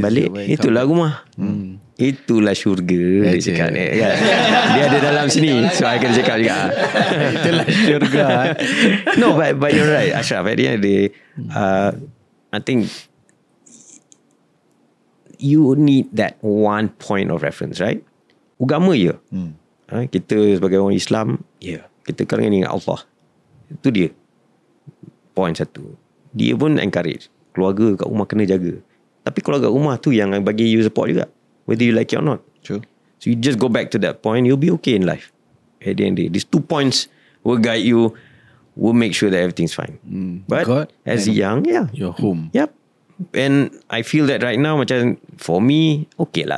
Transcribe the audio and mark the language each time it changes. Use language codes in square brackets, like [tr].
[ms] balik, itulah rumah. Itulah syurga. Dia cakap ni. Yeah. Dia ada dalam sini. So I kena cakap juga. Itulah syurga. [en] No, but you're right, Ashraf. At the end of the day, I think you need that one point of reference, right? [ms] Agama ya. Kita sebagai orang Islam, kita kena ingat Allah. Itu dia. Point satu. Dia pun encourage. Keluarga kat rumah kena jaga. Tapi keluarga rumah tu yang bagi you support juga. [en] Whether you like it or not. True. So you just go back to that point, you'll be okay in life. At the end of the day, these 2 points will guide you, will make sure that everything's fine. But God, as young, your home. Yep. And I feel that right now, macam for me, okay lah.